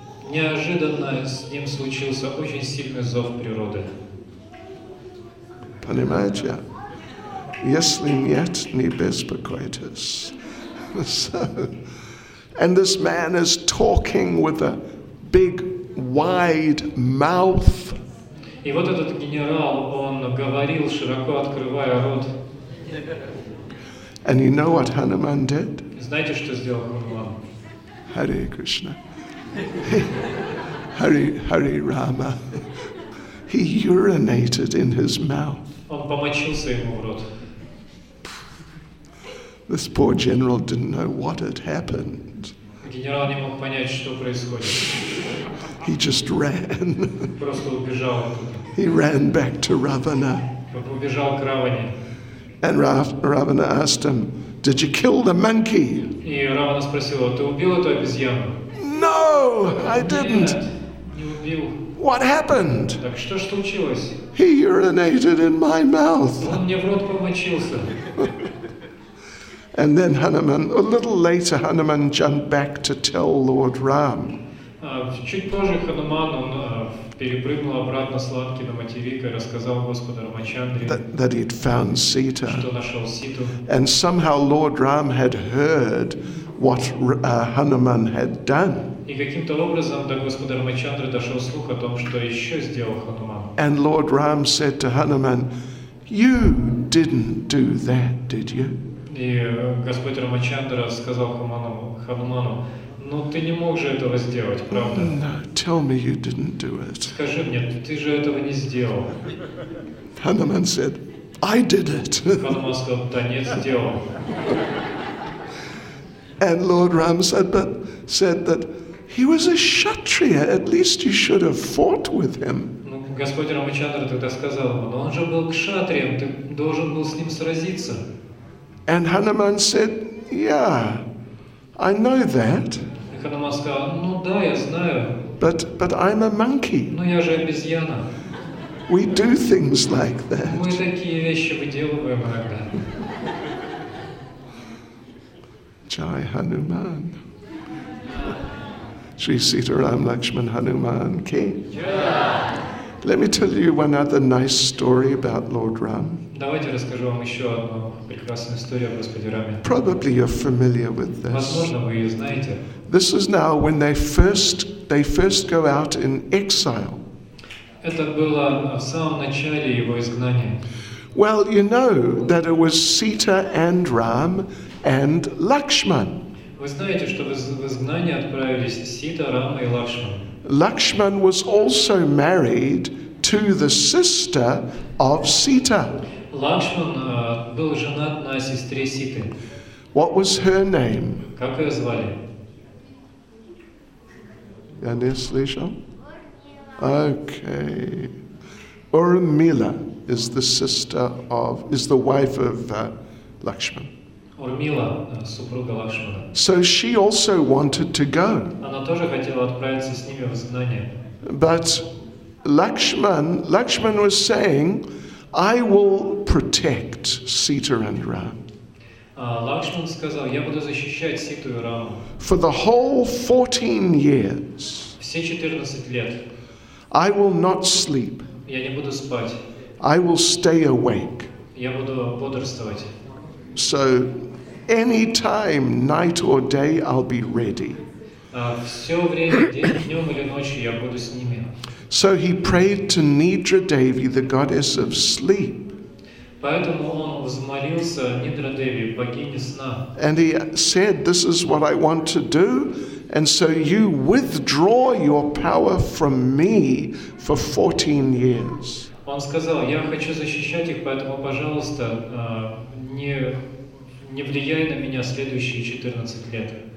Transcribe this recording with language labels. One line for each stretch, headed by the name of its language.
Russian: Неожиданно с ним случился очень сильный зов природы. Понимаете? Если нет, не беспокойтесь.
English: And this man is talking with a big, wide mouth.
Russian: И вот этот генерал, он говорил, широко открывая рот.
English: And you know what Hanuman did?
Russian: Знаете, что сделал Хануман?
Sanskrit: Hare Krishna. Hare Rama.
English: He urinated in his mouth.
Russian: Он помочился ему в рот.
English: This poor general didn't know what had happened.
Russian: Генерал не мог понять, что происходит.
English: He just ran.
Russian: Просто убежал.
English: He ran back to Ravana.
Russian: Убежал к Раване.
English: And Ravana asked him, "Did you kill the monkey?"
Russian: И Равана спросил, "Ты убил эту обезьяну?"
English: "No, I didn't."
Russian: Не убил.
English: "What happened?"
Russian: Так что ж случилось?
English: "He urinated in my mouth."
Russian: Он мне в рот помочился.
English: And then Hanuman, a little later, Hanuman jumped back to tell Lord Ram.
Russian: Чуть позже Хануман перепрыгнул обратно с лавки на материк и рассказал господу Рамачандре,
English: that he'd found Sita.
Russian: Что нашел Ситу.
English: And somehow Lord Ram had heard what Hanuman had done.
Russian: И каким-то образом до господа Рамачандры дошел слух о том, что еще сделал Хануман.
English: And Lord Ram said to Hanuman, "You didn't do that, did you?"
Russian: И господь Рамачандра сказал Хануману, "Ну ты не мог же этого сделать, правда?"
English: "No, tell me you didn't do it."
Russian: Скажи мне, ты же этого не сделал.
English: Hanuman said, "I did it."
Russian: Хануман сказал, "Да нет, сделал."
English: And Lord Ram said that he was a kshatriya. At least you should have fought with him.
Russian: Ну господь Рамачандра тогда сказал ему, "Но он же был кшатрием, ты должен был с ним сразиться."
English: And Hanuman said, "Yeah, I know that.
Russian: Ханума сказала, ну да, я знаю.
English: But I'm a monkey.
Russian: Но я же обезьяна.
English: We do things like that.
Russian: Мы такие вещи выделываем иногда.
Hindi: Jai Hanuman. Shri Sitaram Lakshman Hanuman Ki.
English: Let me tell you one other nice story about Lord Ram.
Russian: Давайте расскажу вам еще одну прекрасную историю о Господе Раме.
English: Probably you're familiar with this.
Russian: Возможно, вы ее знаете.
English: This is now when they first go out in exile.
Russian: Это было в самом начале его изгнания.
English: Well, you know that it was Sita and Ram and Lakshman.
Russian: Вы знаете, что в изгнание отправились Сита, Рама и Лакшман.
English: Lakshman was also married to the sister of Sita.
Russian: Лакшман был женат на сестре Ситы.
English: What was her name?
Russian: Как ее звали? Яне слышал?
English: Okay. Урмила is the sister of, is the wife of Lakshman.
Russian: Урмила, супруга Лакшмана.
English: So she also wanted to go.
Russian: Она тоже хотела отправиться с ними в изгнание.
English: But Lakshman was saying, I will protect Sita and Ram.
Russian: Лакшман сказал, я буду защищать Ситу и Раму.
English: For the whole 14 years.
Russian: Все 14 лет.
English: I will not sleep.
Russian: Я не буду спать.
English: I will stay awake.
Russian: Я буду бодрствовать.
English: So any time, night or day, I'll be ready.
Russian: Все время, день, днем или ночью, я буду с ними.
English: So he prayed to Nidra Devi, the goddess of sleep.
Russian: Поэтому он взмолился Нидра Деви, богине сна.
English: And he said, this is what I want to do, and so you withdraw your power from me for 14 years.
Russian: Он сказал, я хочу защищать их, поэтому, пожалуйста, не влияй на меня следующие 14 лет.